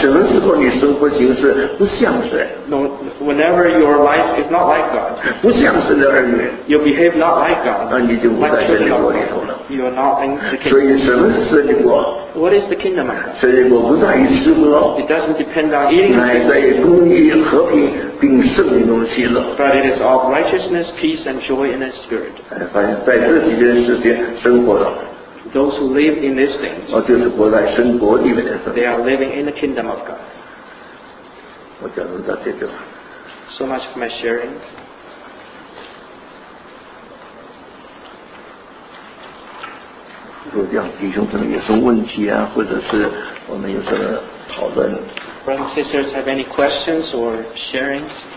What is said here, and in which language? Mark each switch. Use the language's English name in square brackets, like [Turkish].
[Chinese] 什么时候你生活形式不像神 [English] ？No, whenever your life is not like God. [Chinese] 不像神的儿女。 [English] You behave not like God. [Chinese] 那你就不在神的国里头了。 [English] You are not in the kingdom. [Chinese] 所以什么是神的国？ [English] What is the kingdom of God? [Chinese] 神的国不在于吃喝。 [English] It doesn't depend on eating. [Chinese] 乃在于公义、和平并圣灵中喜乐。 [English] But it is of righteousness, peace, and joy in the Spirit. [Chinese] 发现在这几件事情生活的。 [English] Those who live in these things. [Chinese] 哦，就是活在神国里面的。 [English] They are living in the kingdom of God. [Chinese] 我讲到这就。 [English] So much for my sharing. [Chinese] 就这样，弟兄姊妹有什么问题啊，或者是我们有什么讨论 [English] ？Brothers and sisters, have any questions or sharings?